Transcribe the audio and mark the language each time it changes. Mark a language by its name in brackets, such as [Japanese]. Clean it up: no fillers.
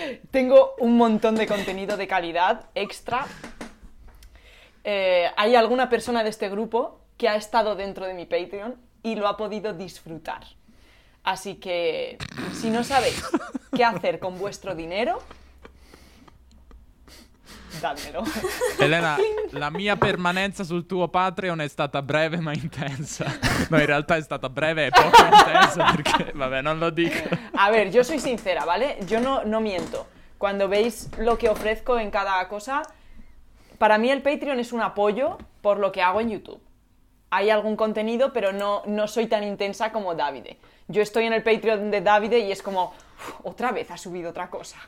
[Spanish] Tengo un montón de contenido de calidad extra. Hay alguna persona de este grupo que ha estado dentro de mi Patreon y lo ha podido disfrutar. Así que, si no sabéis qué hacer con vuestro dinero, dadmelo. [Italian] Elena, la mia permanenza sul tuo Patreon è stata breve ma intensa. No, in realtà è stata breve e poco intensa perché, vabbè, non lo dico. [Spanish] A ver, yo soy sincera, ¿vale? Yo no miento. Cuando veis lo que ofrezco en cada cosa... Para mí el Patreon es un apoyo por lo que hago en YouTube. Hay algún contenido, pero no soy tan intensa como Davide. Yo estoy en el Patreon de Davide y es como... Otra vez ha subido otra cosa.